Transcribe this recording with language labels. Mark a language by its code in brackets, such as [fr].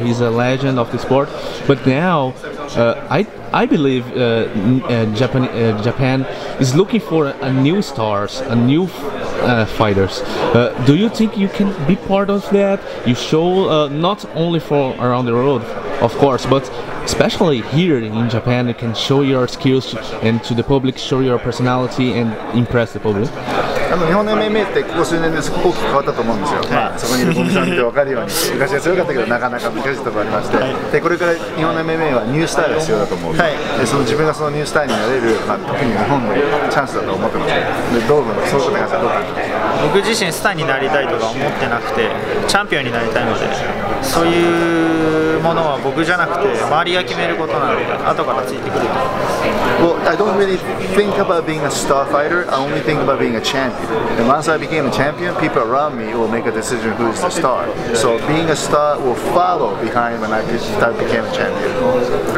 [en] He's a legend of the sport. But now, I believe Japan is looking for a new stars, a new fighters. Do you think you can be part of that? You show not only for around the world, of course, but especially here in Japan, you can show your skills and to the public, show your personality and impress the public. [ja] 日本の MMA ってここ数年です大きく変わったと思うんですよ、まあ、そこにいるゴミさん見て分かるように昔は強かったけどなかなか難しいところがありまして、でこれから日本の MMA はニュースターが必要だと思う、はい、でその自分がそのニュースターになれる、まあ、特に日本のチャンスだと思ってます。でどういうのそういうことがどうか僕自身スターになりたいとか思ってなくて、チャンピオンになりたいので、そういうものは僕じゃなくて周りが決めることなので後からついてくると。 [en] Well, I don't really think about being a star fighter. I only think about being a champion. And once I became a champion, people around me will make a decision who's the star. So being a star will follow behind when I start became a champion.